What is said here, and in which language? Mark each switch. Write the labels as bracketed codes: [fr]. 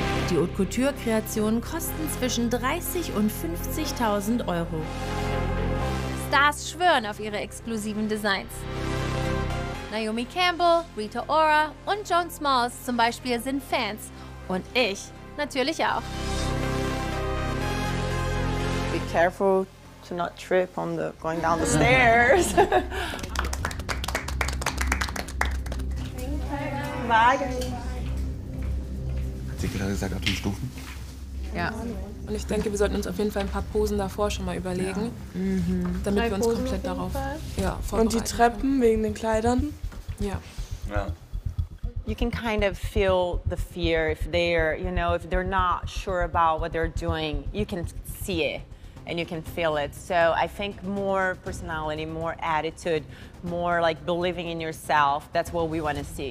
[de] Die Haute Couture-Kreationen kosten zwischen 30.000 und 50.000 Euro. Stars schwören auf ihre exklusiven Designs. Naomi Campbell, Rita Ora und Joan Smalls zum Beispiel sind Fans. Und ich natürlich auch. [en] Be careful to not trip on the going down the stairs. [de] Hat sie gerade gesagt, auf den Stufen? Ja. Und ich denke, wir sollten uns auf jeden Fall ein paar Posen davor schon mal überlegen, ja, damit wir uns komplett darauf vorbereiten. Und die Treppen wegen den Kleidern? Ja. Ja. [en] You can kind of feel the fear if they're, you know, if they're not sure about what they're doing. You can see it and you can feel it. So I think more personality, more attitude, more like believing in yourself, that's what we want to see.